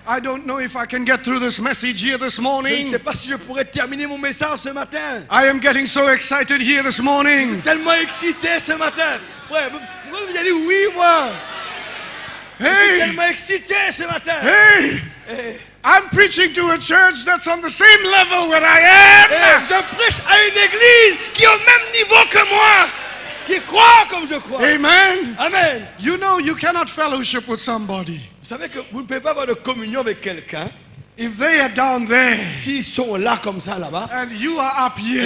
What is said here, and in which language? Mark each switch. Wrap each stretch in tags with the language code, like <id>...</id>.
<en>I don't know if I can get through this message here this morning.</en> <fr>Je ne sais pas si je pourrais terminer mon message ce matin.</fr> <en>I am getting so excited here this morning.</en> <fr>Je suis tellement excité ce matin. Pourquoi vous avez dit oui moi?</fr> <en>Hey.</en> <fr>Je suis tellement excité ce matin.</fr> <en>Hey. I'm preaching to a church that's on the same level where I am.</en> <fr>Et je prêche à une église qui est au même niveau que moi. Qui croit comme je crois.</fr> <en>Amen.</en> <fr>Amen.</fr> <en>You know you cannot fellowship with somebody.</en> <fr>Vous savez que vous ne pouvez pas avoir de communion avec quelqu'un.</fr> <en>If they are down there.</en> <fr>S'ils sont là comme ça là-bas.</fr> <en>And you are up here.</en>